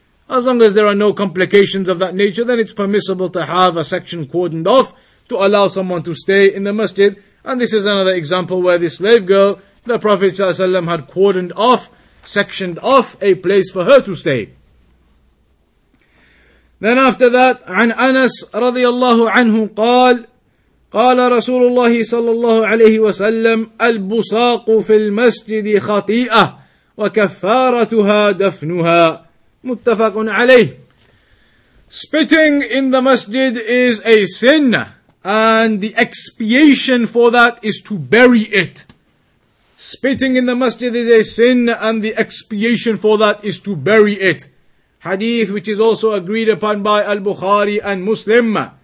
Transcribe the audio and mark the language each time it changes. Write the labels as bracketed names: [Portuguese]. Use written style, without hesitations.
[English] As long as there are no complications of that nature, then it's permissible to have a section cordoned off to allow someone to stay in the masjid. And this is another example where this slave girl, the Prophet ﷺ had cordoned off, sectioned off a place for her to stay. Then after that, [Arabic] عن أنس رضي الله عنه قال قال رسول الله صلى الله عليه وسلم البصاق في المسجد خطيئة وكفارتها دفنها. Muttafaqun alayh. [English] Spitting in the masjid is a sin, and the expiation for that is to bury it. Spitting in the masjid is a sin, and the expiation for that is to bury it. Hadith which is also agreed upon by Al-Bukhari and Muslim.